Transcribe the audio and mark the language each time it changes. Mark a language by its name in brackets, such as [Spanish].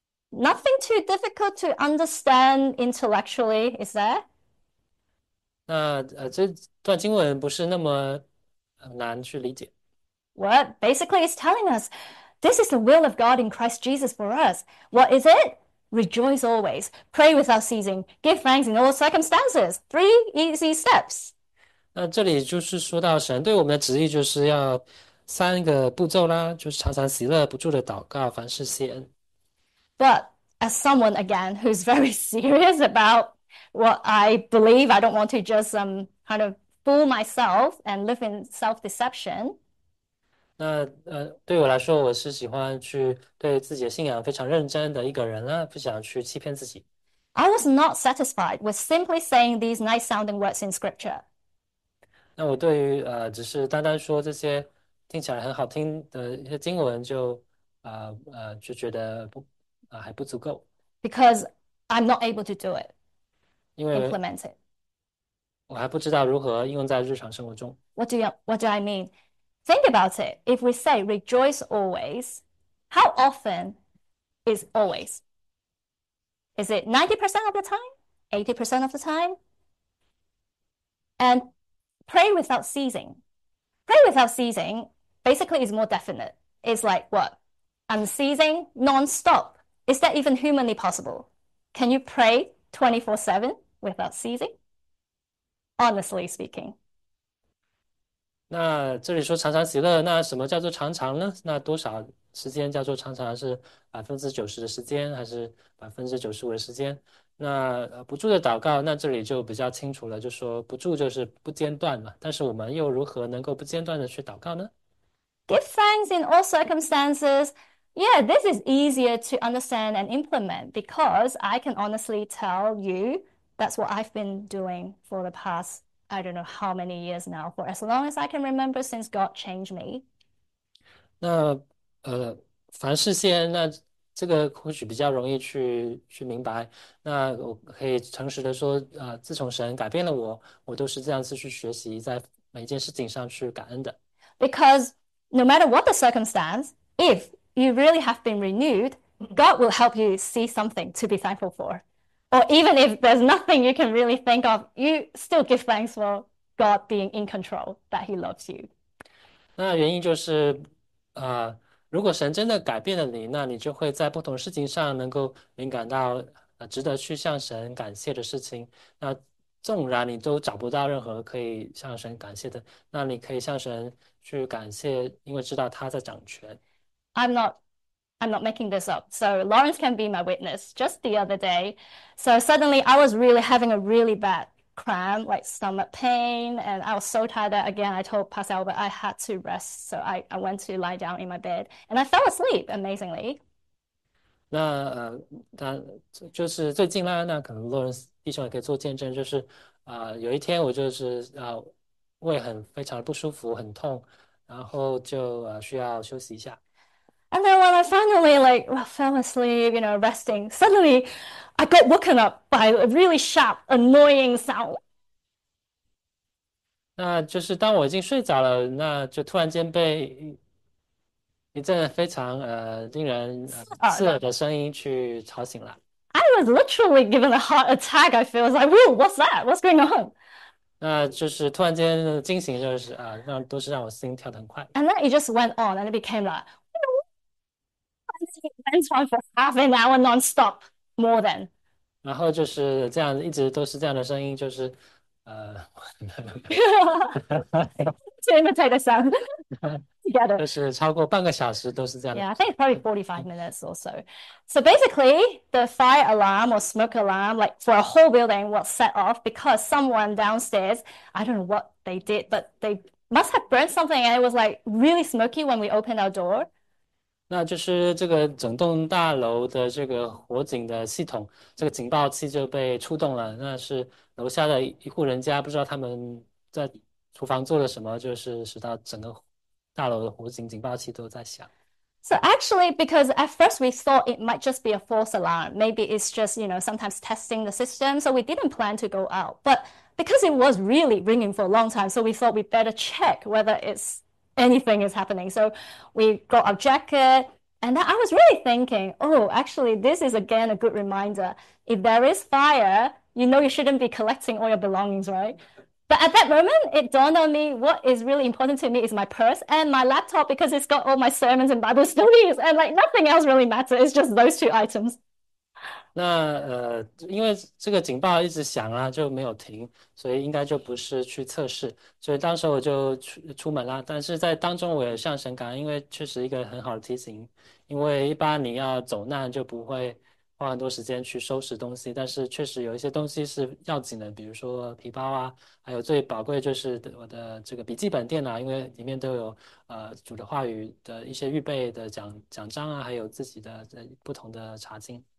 [English] Nothing too difficult to understand intellectually, is there? [Chinese] 那这段经文不是那么难去理解。 [English] What? Basically, it's telling us this is the will of God in Christ Jesus for us. What is it? Rejoice always, pray without ceasing, give thanks in all circumstances. Three easy steps. [Chinese] 那这里就是说到神对我们的旨意，就是要3个步骤啦，就是常常喜乐，不住的祷告，凡事谢恩。 [English] But as someone again who's very serious about what I believe, I don't want to just kind of fool myself and live in self-deception. [Chinese] 那对我来说，我是喜欢去对自己的信仰非常认真的一个人啊，不想去欺骗自己。 [English] I was not satisfied with simply saying these nice sounding words in scripture. [Chinese] 那我对于只是单单说这些听起来很好听的一些经文就觉得还不足够， [English] Because I'm not able to do it, [Chinese] 因为 [English] implement it. [Chinese] 我还不知道如何应用在日常生活中。 [English] What do I mean? Think about it. If we say rejoice always, how often is always? Is it 90% of the time? 80% of the time? And pray without ceasing. Pray without ceasing basically is more definite. It's like what? Unceasing, non-stop. Is that even humanly possible? Can you pray 24/7 without ceasing? Honestly speaking. [Chinese] 那这里说常常喜乐，那什么叫做常常呢？那多少时间叫做常常是90%的时间，还是95%的时间？那不住的祷告，那这里就比较清楚了，就说不住就是不间断嘛。但是我们又如何能够不间断的去祷告呢？ [English] Give thanks in all circumstances. Yeah, this is easier to understand and implement because I can honestly tell you that's what I've been doing for the past, I don't know how many years now, for as long as I can remember since God changed me. [Chinese] 那凡事先，那这个或许比较容易去明白。那我可以诚实的说，自从神改变了我，我都是这样子去学习，在每一件事情上去感恩的。 [English] Because no matter what the circumstance, if you really have been renewed, God will help you see something to be thankful for. Or even if there's nothing you can really think of, you still give thanks for God being in control, that He loves you. [Chinese] 那原因就是。如果神真的改变了你，那你就会在不同事情上能够敏感到，值得去向神感谢的事情。那纵然你都找不到任何可以向神感谢的，那你可以向神去感谢，因为知道他在掌权。 [English] I'm not making this up. So Lawrence can be my witness. Just the other day, so suddenly I was really having a really bad cramp, like stomach pain, and I was so tired that again I told Pascal, but I had to rest. So I went to lie down in my bed and I fell asleep, amazingly. [Chinese] 那他就是最近啦，那可能洛伦斯弟兄也可以做见证，就是有一天我就是胃很非常的不舒服，很痛，然后就需要休息一下。 [English] And then when I finally fell asleep, resting, suddenly I got woken up by a really sharp, annoying sound. [Chinese] 那就是当我已经睡着了，那就突然间被。一阵非常令人刺耳的声音去吵醒了。 [English] I was literally given a heart attack, I feel. I was like, whoa, what's that? What's going on? [Chinese] 那就是突然间惊醒，就是都是让我心跳得很快。 [English] And then it just went on and it became like, went on for half an hour non-stop, more than. [Chinese] 然后就是这样，一直都是这样的声音，就是 [English] imitate the sound together. [Chinese] 就是超过半个小时都是这样的。 [English] Yeah, I think it's probably 45 minutes or so. So basically, the fire alarm or smoke alarm, like for a whole building, was set off because someone downstairs, I don't know what they did, but they must have burned something and it was like really smoky when we opened our door. [Chinese] 那就是这个整栋大楼的这个火警的系统，这个警报器就被触动了。那是楼下的一户人家，不知道他们在厨房做了什么，就是使到整个。大楼的火警警报器都在响。 [English] So actually, because at first we thought it might just be a false alarm. Maybe it's just, sometimes testing the system. So we didn't plan to go out. But because it was really ringing for a long time, so we thought we'd better check whether it's anything is happening. So we got our jacket. And then I was really thinking, oh, actually, this is again a good reminder. If there is fire, you shouldn't be collecting all your belongings, right? But at that moment, it dawned on me what is really important to me is my purse and my laptop because it's got all my sermons and Bible studies, and like nothing else really matters. It's just those two items. [Chinese] 那因为这个警报一直响啊，就没有停，所以应该就不是去测试。所以当时我就出门啦，但是在当中我也向神感恩，因为确实一个很好的提醒。因为一般你要走难就不会花很多时间去收拾东西，但是确实有一些东西是要紧的，比如说皮包啊，还有最宝贵就是我的这个笔记本电脑，因为里面都有主的话语的一些预备的奖章啊，还有自己的不同的查经。